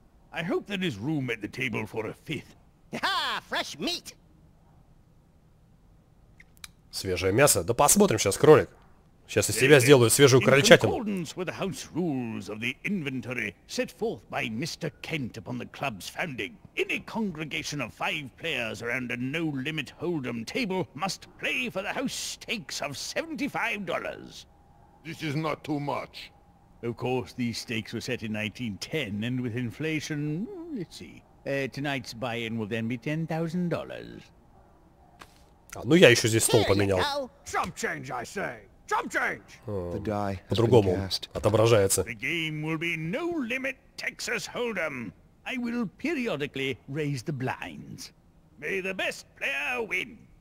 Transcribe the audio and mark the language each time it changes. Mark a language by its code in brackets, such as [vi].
[en] I hope there is room at the table for a fifth. Fresh meat. [ru] Свежее мясо. Да посмотрим сейчас кролик. Сейчас из тебя сделаю свежую крольчатину. [en] In accordance with the house rules of the inventory set forth by Mr. Kent upon the club's founding, any congregation of 5 players around a no-limit hold'em table must play for the house stakes of $75. This is not too much. Of course, these stakes were set in 1910, and with inflation, let's see, tonight's buy-in will then be $10,000. [ru] Ну я еще здесь стол поменял. [en] Some change, I say. Some change. The die [ru] по-другому отображается. [en] The game will be no limit Texas Hold'em. I will periodically raise the blinds. May the best player win.